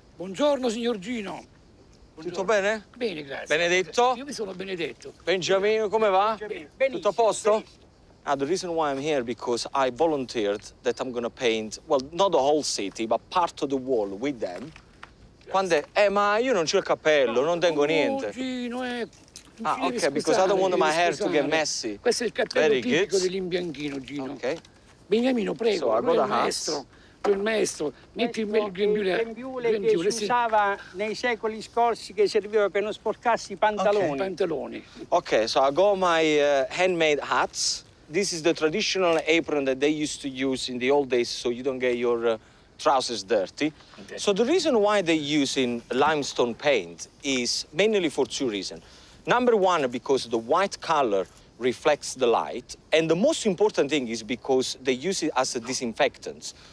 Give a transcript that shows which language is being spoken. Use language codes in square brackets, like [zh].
[it] Buongiorno, signor Gino. Tutto bene? Bene, grazie. Benedetto? Io mi sono Benedetto. Benjamino, come va? Benissimo. Tutto a posto? Benissimo. [en] Ah, the reason why I'm here, because I volunteered that I'm going to paint, well, not the whole city, but part of the wall with them. [it] Grazie. Quando... ma io non c'ho il cappello, no, non tengo niente. Gino, [en] Ah, ok, because I don't want my hair to get messy. [it] Questo è il cappello tipico dell'imbianchino, Gino. [en] Okay. [it] Beniamino, prego. So, il maestro. Il maestro, metti il grembiule. Il grembiule che si usava nei secoli scorsi, che serviva per non sporcarsi i pantaloni. Okay, pantaloni. [en] Ok, so I got my handmade hats. This is the traditional apron that they used to use in the old days, so you don't get your trousers dirty. So the reason why they use in limestone paint is mainly for two reasons. Number one, because the white color reflects the light, and the most important thing is because they use it as a disinfectant.